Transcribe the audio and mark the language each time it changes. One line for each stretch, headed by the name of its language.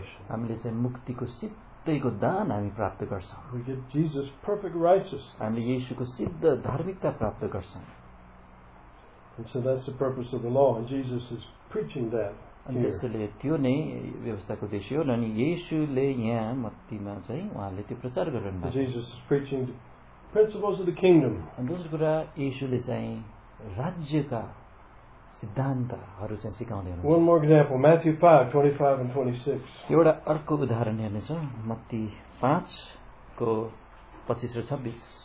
Nepali: हामीले चाहिँ मुक्तिको सिद्धैको दान हामी प्राप्त गर्छौं.
English: We get Jesus' perfect righteousness.
Nepali: हामीले येशूको सिद्ध धार्मिकता प्राप्त गर्छौं.
English: And so that's the purpose of the law, and Jesus is preaching that.
Nepali: अनि त्यसले त्यो नै व्यवस्थाको उद्देश्य हो अनि येशूले यहाँ मत्तीमा चाहिँ उहाँले त्यो प्रचार गर्नुभयो.
English: Jesus is preaching the principles of the kingdom.
Nepali: अनि दोस्रो कुरा येशूले चाहिँ राज्यका सिद्धान्तहरू चाहिँ सिकाउँदै हुनुहुन्छ.
English: One more example, Matthew 5:25-26.
Nepali: एउटा अर्को उदाहरण हेर्ने छ मत्ती 5:25-26.